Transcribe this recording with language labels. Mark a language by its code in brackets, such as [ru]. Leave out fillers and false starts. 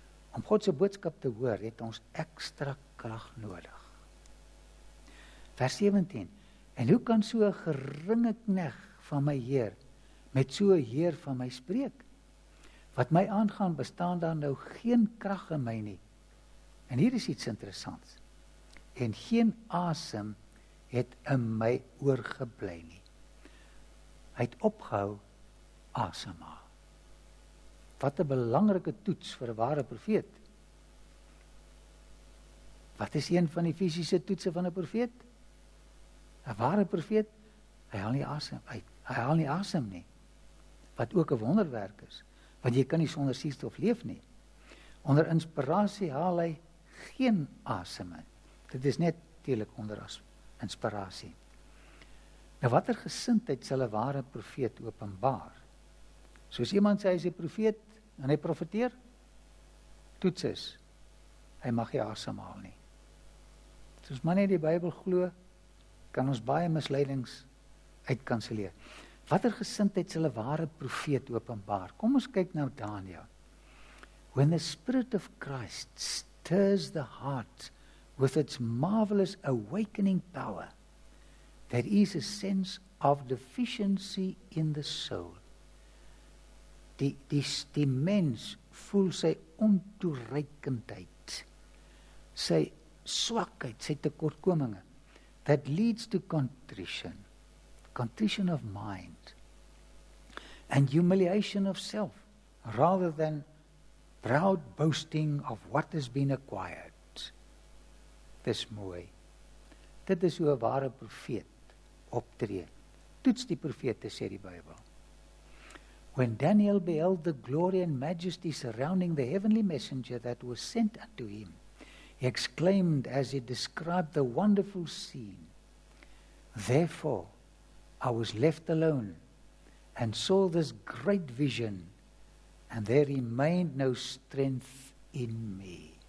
[af] Om God se boodskap te hoor, het ons ekstra krag nodig. Vers 17, en hoe kan so 'n geringe knegg van my Heer, met so 'n Heer van my spreek? Wat my aangaan, bestaan daar nou geen krag in my nie. En hier is iets interessants, en geen asem het in my oorgebly nie. Hy het opgehou asemhaal. Wat 'n belangrike toets vir 'n ware profeet. Wat is een van die fisiese toetse van 'n profeet? 'N ware profeet, hy haal nie asem uit. Hy haal nie asem nie. Wat ook 'n wonderwerk is, want jy kan nie sonder suurstof leef nie. Onder inspirasie haal hy geen asem in. Dit is net natuurlik onder as inspirasie. Nou watter gesindheid sal 'n ware profeet openbaar? Soos iemand sê hy is 'n profeet en hy profeteer, toets is, hy mag nie asemhaal nie. Soos man nie die Bybel glo, kan ons baie misleidings uitkanselleer. Watter gesindheid sal 'n ware profeet openbaar? Kom ons kyk nou Daniel. [en] When the Spirit of Christ stirs the heart with its marvelous awakening power, there is a sense of deficiency in the soul. [af] Die mens voel sy ontoereikendheid, sy swakheid, sy tekortkominge, [en] that leads to contrition, contrition of mind, and humiliation of self, rather than proud boasting of what has been acquired. [af] Dis mooi. Dit is hoe 'n ware profeet optree. Toets die profete, sê die Bybel. [en] When Daniel beheld the glory and majesty surrounding the heavenly messenger that was sent unto him, he exclaimed as he described the wonderful scene, therefore I was left alone and saw this great vision and there remained no strength in me.